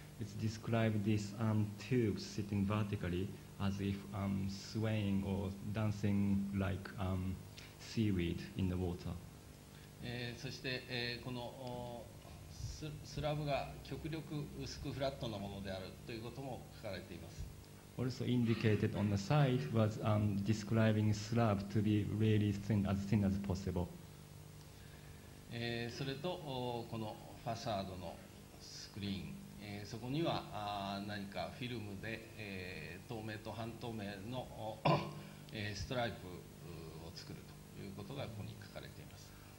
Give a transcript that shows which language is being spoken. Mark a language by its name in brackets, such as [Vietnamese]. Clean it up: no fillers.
[English] It's described this tube sitting vertically as if swaying or dancing like seaweed in the water. [Japanese] そして、このスラブが極力薄くフラットなものであるということも書かれています。 [English] Also indicated on the side was describing slab to be really thin as possible. [Japanese] それとこのファサードのスクリーン、そこには何かフィルムで透明と半透明のストライプを作るということがここに書かれています。